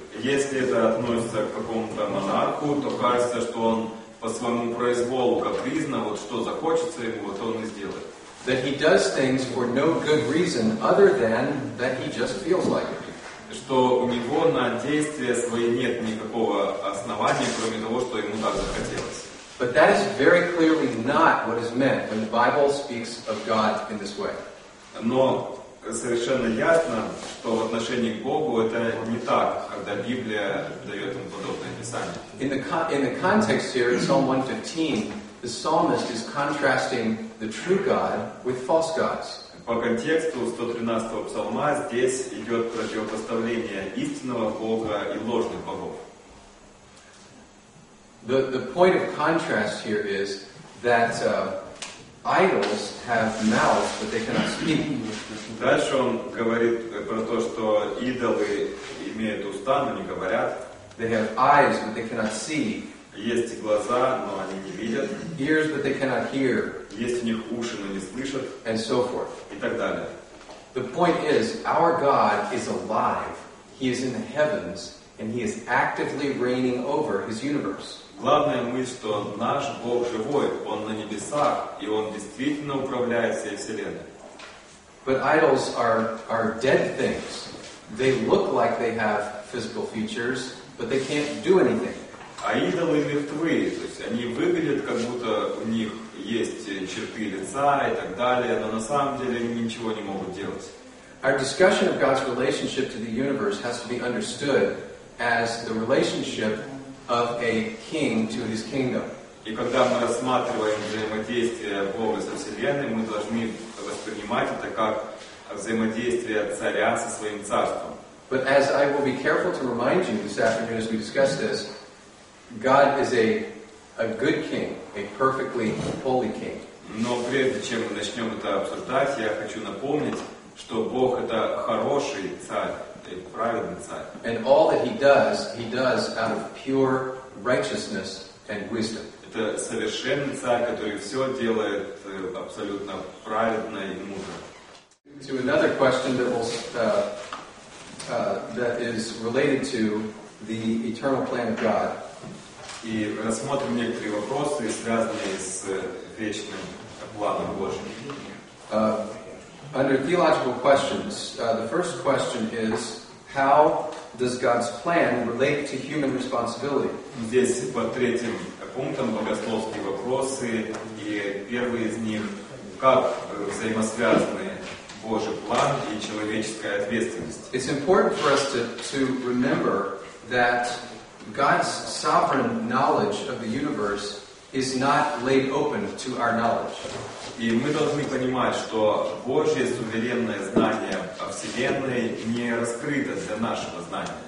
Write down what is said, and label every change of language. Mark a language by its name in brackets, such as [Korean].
[Russian] Если это относится к какому-то монарху, то кажется, что он по своему произволу капризно, вот что захочется ему, вот он и сделает. [English] That he does things for no good reason other than that he just feels like it. [Russian] Что у него на действия свои нет никакого основания, кроме того, что ему так захотелось. [English] But that is very clearly not what is meant when the Bible speaks of God in this way. [Russian] Но совершенно ясно, что в отношении к Богу это не так, когда Библия дает ему подобное описание. [English] In the context here, in Psalm 115, the psalmist is contrasting the true God with false gods. [Russian] По контексту 113-го псалма здесь идет противопоставление истинного Бога и ложных богов. [English] The point of contrast here is that idols have mouths, but they cannot speak. [Russian] Дальше он говорит про то, что идолы имеют уста, но не говорят. [English] They have eyes, but they cannot see. [Russian] Есть глаза, но они не видят. [English] Ears, but they cannot hear. [Russian] Есть у них уши, но не слышат. [English] And so forth. [Russian] И так далее. [English] The point is, our God is alive. He is in the heavens, and He is actively reigning over His universe. [Russian] Главная мысль, что наш Бог живой, Он на небесах, и Он действительно управляет всей Вселенной. [English] But idols are dead things. They look like they have physical features, but they can't do anything. [Russian] А идолы мертвы, то есть они выглядят, как будто у них есть черты лица и так далее, но на самом деле они ничего не могут делать. [English] Our discussion of God's relationship to the universe has to be understood as the relationship of a king to his kingdom. [Russian] И когда мы рассматриваем взаимодействие Бога со Вселенной, мы должны воспринимать это как взаимодействие царя со своим царством. [English] But as I will be careful to remind you this afternoon as we discuss this, God is a good king, a perfectly holy king. [Russian] Но прежде чем мы начнем это обсуждать, я хочу напомнить, что Бог это хороший царь, праведный царь. [English] And all that he does out of pure righteousness and wisdom. [Russian] Это совершенный царь, который все делает абсолютно праведно и мудро. [English] To another question that will that is related to the eternal plan of God. [Russian] И рассмотрим некоторые вопросы, связанные с вечным планом Божьим. [English] Under theological questions, the first question is, how does God's plan relate to human responsibility? [Russian] Здесь под третьим пунктом богословские вопросы, и первый из них, как взаимосвязаны Божий план и человеческая ответственность? [English] It's important for us to remember that God's sovereign knowledge of the universe is not laid open to our knowledge. [Russian] И мы должны понимать, что Божье суверенное знание о Вселенной не раскрыто для нашего знания.